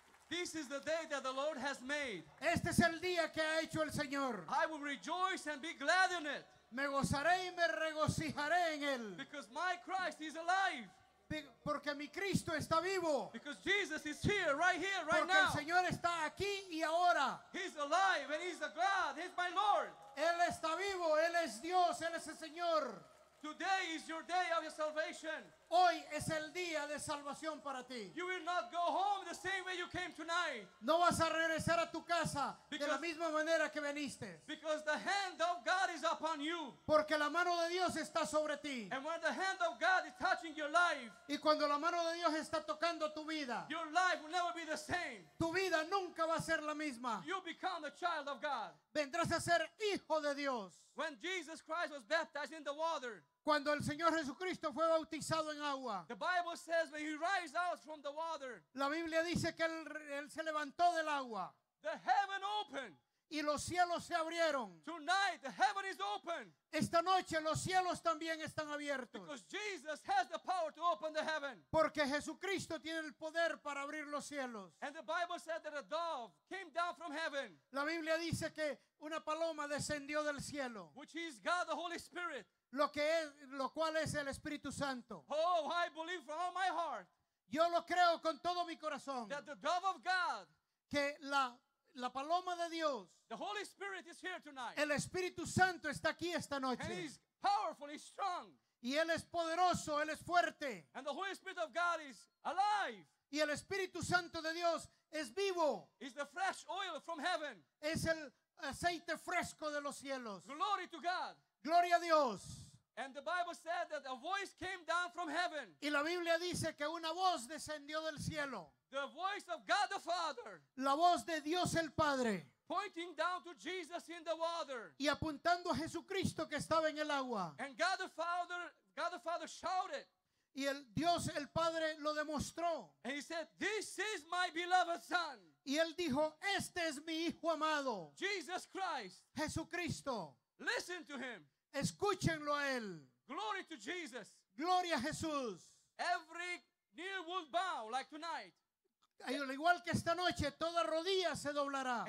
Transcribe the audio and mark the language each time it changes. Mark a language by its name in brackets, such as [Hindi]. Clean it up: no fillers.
[English] This is the day that the Lord has made. [Spanish] Este es el día que ha hecho el Señor. [English] I will rejoice and be glad in it. [Spanish] Me gozaré y me regocijaré en él. [English] Because my Christ is alive. [Spanish] Porque mi Cristo está vivo. [English] Because Jesus is here, right here, right [Spanish] Porque El Señor está aquí y ahora. [English] He's alive and he's the God. He's my Lord. [Spanish] Él está vivo. Él es Dios. Él es el Señor. [English] Today is your day of your salvation. [Spanish] Hoy es el día de salvación para ti. [English] You will not go home the same way you came tonight. [Spanish] No vas a regresar a tu casa de la misma manera que viniste. [English] Because the hand of God is upon you. [Spanish] Porque la mano de Dios está sobre ti. [English] And when the hand of God is touching your life. [Spanish] Y cuando la mano de Dios está tocando tu vida. [English] Your life will never be the same. [Spanish] Tu vida nunca va a ser la misma. [English] You become a child of God. [Spanish] Vendrás a ser hijo de Dios. [English] When Jesus Christ was baptized in the water. [Spanish] Cuando el Señor Jesucristo fue bautizado en agua. [English] The Bible says when he rises out from the water. [Spanish] La Biblia dice que él se levantó del agua. [English] The heaven opened. [Spanish] Y los cielos se abrieron. [English] Tonight the heaven is open. [Spanish] Esta noche los cielos también están abiertos. [English] Because Jesus has the power to open the heaven. [Spanish] Porque Jesucristo tiene el poder para abrir los cielos. [English] And the Bible said that a dove came down from heaven. [Spanish] La Biblia dice que una paloma descendió del cielo. [English] Which is God the Holy Spirit. [Spanish] Lo cual es el Espíritu Santo. [English] Oh, I believe from all my heart. [Spanish] Yo lo creo con todo mi corazón. [English] That the dove of God. [Spanish] Que la paloma de Dios. [English] The Holy Spirit is here tonight. [Spanish] El Espíritu Santo está aquí esta noche. [English] And he's powerful, he's strong. [Spanish] Y él es poderoso, él es fuerte. [English] And the Holy Spirit of God is alive. [Spanish] Y el Espíritu Santo de Dios es vivo. [English] Is the fresh oil from heaven. [Spanish] Es el aceite fresco de los cielos. [English] Glory to God. [Spanish] Gloria a Dios. [English] And the Bible said that a voice came down from heaven. [Spanish] Y la Biblia dice que una voz descendió del cielo. [English] The voice of God the Father. [Spanish] La voz de Dios el Padre. [English] Pointing down to Jesus in the water. [Spanish] Y apuntando a Jesucristo que estaba en el agua. [English] And God the Father shouted. [Spanish] Y el Dios el Padre lo demostró. [English] And he said, "This is my beloved son." [Spanish] Y él dijo, "Este es mi hijo amado." [English] Jesus Christ. [Spanish] Jesucristo. [English] Listen to him. [Spanish] Escúchenlo a él. [English] Glory to Jesus. [Spanish] Gloria a Jesús. [English] Every knee will bow like tonight. [Spanish] Al igual que esta noche, toda rodilla se doblará.